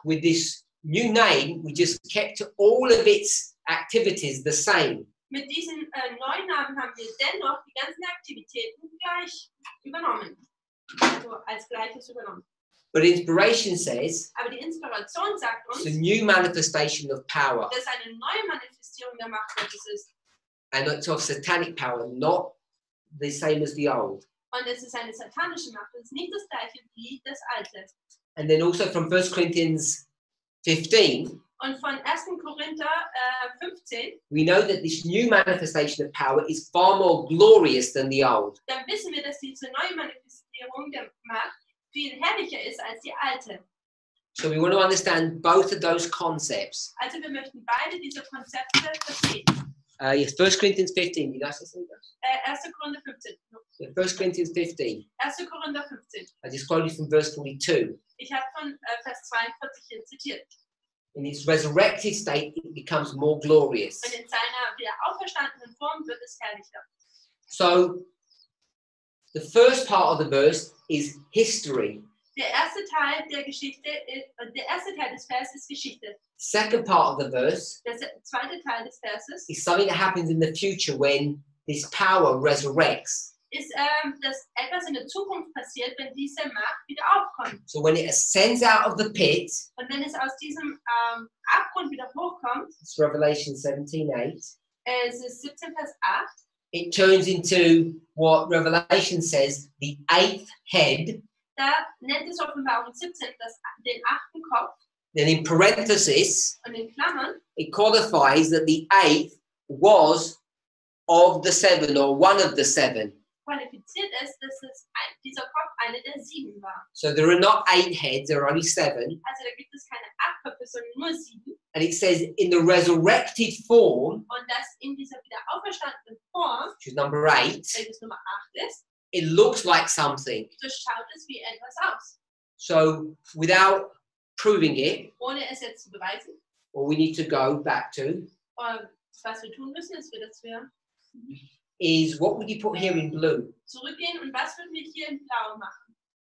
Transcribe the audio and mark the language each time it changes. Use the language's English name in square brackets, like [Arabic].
[English] with this new name, we just kept all of its activities the same. [German] Mit diesem neuen Namen haben wir dennoch die ganzen Aktivitäten gleich übernommen. Also als gleiches übernommen. [English] But inspiration says, [German] aber die Inspiration sagt uns, [English] it's a new manifestation of power. [German] Dass eine neue Manifestierung der Macht Gottes ist. [English] And it's of satanic power, not the same as the old. [German] Und es ist eine satanische Macht, und es ist nicht das gleiche wie das alte. [English] And then also from 1 Corinthians 15, [German] und von 1. Korinther 15, [English] we know that this new manifestation of power is far more glorious than the old. [German] Dann wissen wir, dass diese neue Manifestierung der Macht viel herrlicher ist als die alte. [English] So we want to understand both of those concepts. [German] Also wir möchten beide diese Konzepte verstehen. [English] Yes, 1 Corinthians 15. You guys see this? [German] 1. Korinther 15. [English] No. Yeah, 1 Corinthians 15. [German] 1. Korinther 15. [English] I just quoted from verse 42. [German] Ich habe von Vers 42 hier zitiert. [English] In its resurrected state, it becomes more glorious. [German] Und in seiner wieder auferstandenen Form wird es herrlicher. [English] So, the first part of the verse is history. [German] Der erste Teil der Geschichte ist, der erste Teil des Verses ist Geschichte. [English] Second part of the verse, [German] der zweite Teil des Verses, [English] is something that happens in the future when this power resurrects. [German] Ist, dass etwas in der Zukunft passiert, wenn diese Macht wieder aufkommt. [English] So when it ascends out of the pit, [German] und wenn es aus diesem Abgrund wieder hochkommt, [English] it's Revelation 17:8. [German] Es ist 17, Vers 8. [English] It turns into what Revelation says, the eighth head. [German] Da nennt es Offenbarung 17, das, den achten Kopf. [English] Then in parenthesis, [German] und in Klammern, [English] it qualifies that the eighth was of the seven, or one of the seven. [German] Qualifiziert es, dass es ein, dieser Kopf eine der sieben war. [English] So there are not eight heads, there are only seven. [German] Also da gibt es keine acht Köpfe, sondern nur sieben. [English] And it says in the resurrected form, [German] und das in dieser wieder auferstandenen Form, [English] which is number eight, [German] welches Nummer 8 ist, [English] it looks like something. [German] So schaut es wie etwas aus. [English] So without proving it, [German] ohne es jetzt zu beweisen, [English] what we need to go back to, [German] was wir tun müssen, ist, dass wir [English] is what would you put here in blue? [German] Zurückgehen und was würden wir hier in blau machen?